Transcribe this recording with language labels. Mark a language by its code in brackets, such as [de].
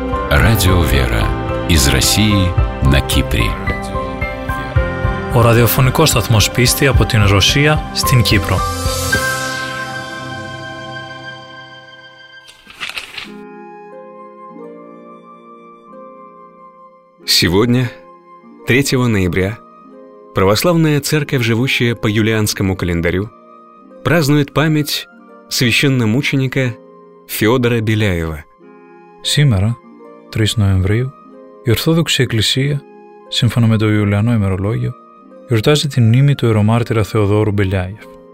[ru] Радио «Вера» из России на Кипре. [el] Ο ραδιοφωνικός σταθμός πίστη από την Ρωσία στην Κύπρο. [ru] Сегодня, 3 ноября, православная церковь, живущая по юлианскому календарю, празднует память священномученика Фёдора Беляева. Сегодня, 3 ноября, [el] η Ορθόδοξη Εκκλησία, σύμφωνα με το Ιουλιανό ημερολόγιο, γιορτάζει την μνήμη του ιερομάρτυρα Θεοδόρου Μπελιάεφ.